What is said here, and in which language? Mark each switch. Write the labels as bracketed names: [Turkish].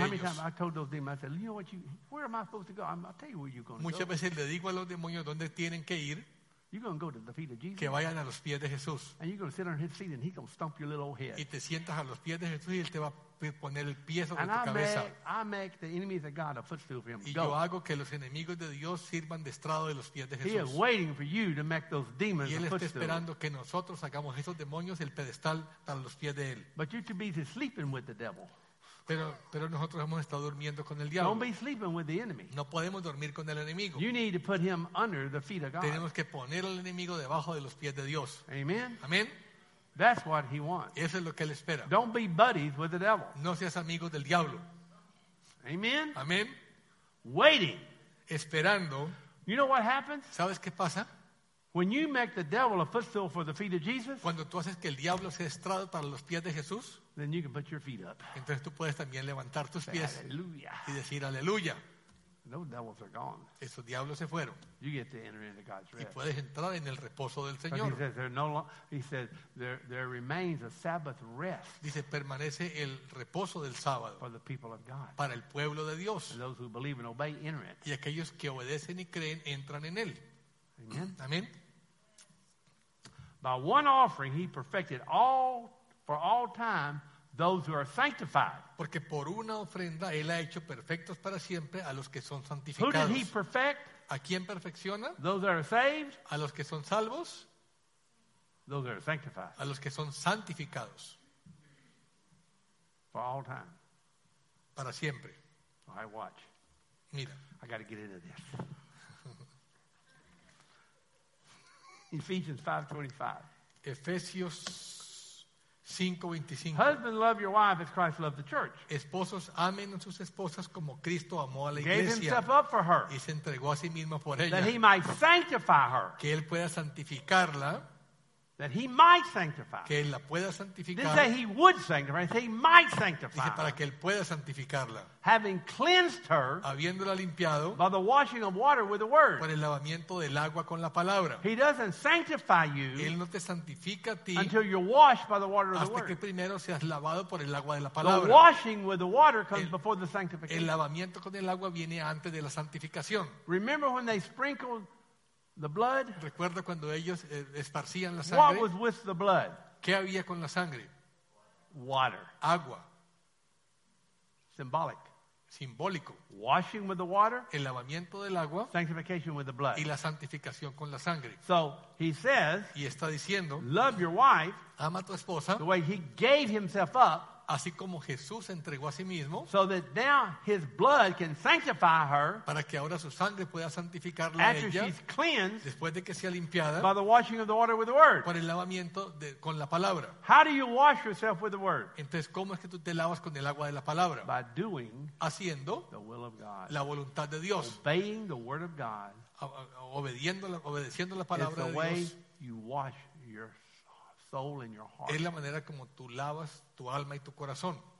[English] I don't know how many times I told those demons. I said, you know what? Where am I supposed to go? I'll tell you where you're going to go. [Spanish] Muchas veces le digo a los demonios dónde tienen que ir. [English] You're going to go to the feet of Jesus. [Spanish] Que vayan a los pies de Jesús. [English] And you're going to sit on his feet and he's going to stomp your little old head. [Spanish] Y te sientas a los pies de Jesús y él te va a poner el pie sobre [English] and [Spanish] tu [English] I [Spanish] cabeza. [English] Make, I make the enemies of God a footstool for him. [Spanish] Y [English] go. [Spanish] Yo hago que los enemigos de Dios sirvan de estrado de los pies de Jesús. [English] He is waiting for you to make those demons a footstool. [Spanish] Y él está esperando que nosotros hagamos esos demonios el pedestal para los pies de él. [English] But you're too busy sleeping with the devil. [Spanish] Pero nosotros hemos estado durmiendo con el diablo. [English] Don't be sleeping with the enemy. [Spanish] No podemos dormir con el enemigo. [English] You need to put him under the feet of God. [Spanish] Tenemos que poner al enemigo debajo de los pies de Dios. [English] Amen. [Spanish] Amen. [English] That's what he wants. [Spanish] Eso es lo que él espera. [English] Don't be buddies with the devil. [Spanish] No seas amigo del diablo. [English] Amen. [Spanish] Amen. [English] Waiting. [Spanish] Esperando. [English] You know what happens? [Spanish] ¿Sabes qué pasa? [English] When you make the devil a footstool for the feet of Jesus, [Spanish] cuando tú haces que el diablo sea estrado para los pies de Jesús, [English] then you can put your feet up. [Spanish] Entonces tú puedes también levantar tus pies. Aleluya. Y decir aleluya. [English] Those devils are gone. [Spanish] Esos diablos se fueron. [English] You get to enter into God's rest. [Spanish] Y puedes entrar en el reposo del Señor. [English] He says there remains a Sabbath rest. [Spanish] Dice permanece el reposo del sábado. [English] For the people of God. [Spanish] Para el pueblo de Dios. [English] And those who believe and obey enter it. [Spanish] Y aquellos que obedecen y creen entran en él. [English] Amen. [Spanish] Amen. [English] By one offering he perfected all for all time those who are sanctified. [Spanish] Porque por una ofrenda él ha hecho perfectos para siempre a los que son santificados. [English] Who did he perfect? [Spanish] ¿A quién perfecciona? [English] Those that are saved. [Spanish] A los que son salvos. [English] Those that are sanctified. [Spanish] A los que son santificados. [English] For all time. [Spanish] Para siempre. [English] I watch. [Spanish] Mira. [English] I got to get into this. Ephesians 5:25. [Spanish] Efesios 5:25. [English] Husband, love your wife as Christ loved the church. [Spanish] Esposos, amen a sus esposas como Cristo amó a la iglesia. [English] Gave himself up for her. [Spanish] Y se entregó a sí mismo por ella. [English] That he might sanctify her. [Spanish] Que él pueda santificarla. [English] That he might sanctify. [Spanish] Que él la pueda santificar. [English] Didn't say he would sanctify. He might sanctify. [Spanish] Dice para que él pueda santificarla. [English] Having cleansed her. [Spanish] Habiéndola limpiado. [English] By the washing of water with the word. [Spanish] Por el lavamiento del agua con la palabra. [English] He doesn't sanctify you. [Spanish] Él no te santifica a ti. [English] Until you're washed by the water of the word. [Spanish] Hasta que primero seas lavado por el agua de la palabra. [English] The washing with the water comes before the sanctification. [Spanish] El lavamiento con el agua viene antes de la santificación. [English] Remember when they sprinkled. The blood. [Spanish] Recuerda cuando ellos esparcían la sangre. [English] What was with the blood? [Spanish] ¿Qué había con la sangre? [English] Water. [Spanish] Agua. [English] Symbolic. [Spanish] Simbólico. [English] Washing with the water. [Spanish] El lavamiento del agua. [English] Sanctification with the blood. [Spanish] Y la santificación con la sangre. [English] So he says. [Spanish] Y está diciendo. [English] Love your wife. [Spanish] Ama a tu esposa. [English] The way he gave himself up. [Spanish] así como Jesús entregó a sí mismo, [English] so that now his blood can sanctify her, [Spanish] para que ahora su sangre pueda santificarla a ella, [English] she's cleansed, [Spanish] después de que sea limpiada, [English] by the washing of the water with the word. [Spanish] Por el lavamiento de, con la palabra. [English] How do you wash yourself with the word? [Spanish] Entonces, ¿cómo es que tú te lavas con el agua de la palabra? [English] By doing [Spanish] haciendo [English] the will of God. [Spanish] La voluntad de Dios. [English] Obeying the word of God. [Spanish] Obedeciendo la palabra de Dios. [English] Is the way you wash your soul and your heart. [Spanish] Es la manera como tú lavas tu alma y tu corazón.